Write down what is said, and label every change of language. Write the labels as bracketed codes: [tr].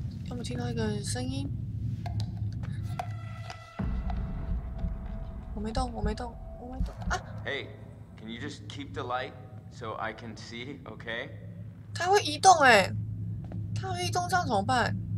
[zh] 我听到一个声音，我没动啊！ [en] Hey, can you just keep the light so I can see, okay? [zh] 它会移动哎，它会移动，这样怎么办？